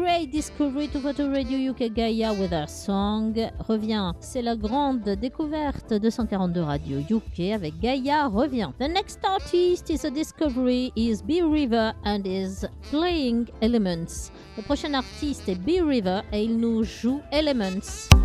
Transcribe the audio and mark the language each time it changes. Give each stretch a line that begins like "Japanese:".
English: Discovery 242 Radio UK GAIA with her song Reviens.
French: C'est la grande découverte de 242 Radio UK avec GAIA Reviens.
English: The next artist is a discovery is B River and is playing Elements.
French: Le prochain artiste est B River et il nous joue Elements.